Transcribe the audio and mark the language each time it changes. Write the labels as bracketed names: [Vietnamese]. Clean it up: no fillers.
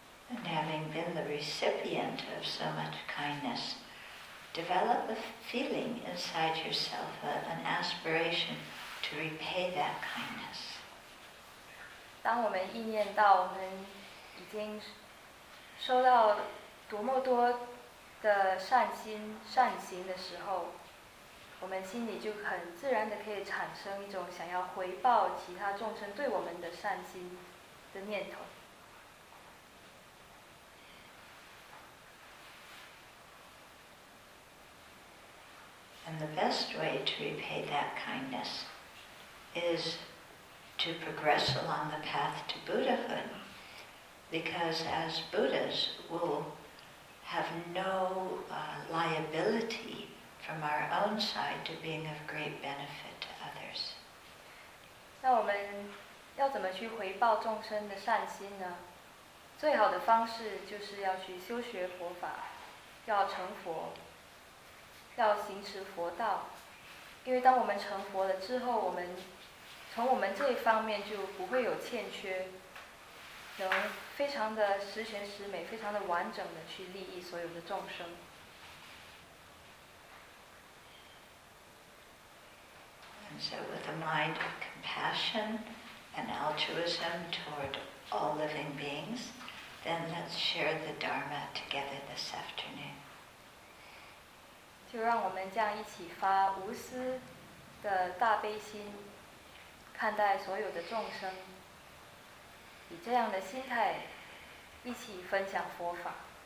[English] And having been the recipient of so much kindness, develop a feeling inside yourself, an aspiration to repay that kindness. [Chinese] 当我们意念到我们已经收到多么多的善心善行的时候，我们心里就很自然的可以产生一种想要回报其他众生对我们的善心的念头。 [English] And the best way to repay that kindness is to progress along the path to Buddhahood, because as Buddhas, we'll have no liability from our own side to being of great benefit to others. [Chinese] 那我们要怎么去回报众生的善心呢？最好的方式就是要去修学佛法，要成佛，要行持佛道，因为当我们成佛了之后，我们从我们这一方面就不会有欠缺，能非常的十全十美，非常的完整的去利益所有的众生。 [English] And so with a mind of compassion and altruism toward all living beings, then let's share the Dharma together this afternoon. [Chinese] 就让我们这样一起发无私的大悲心，看待所有的众生，以这样的心态一起分享佛法。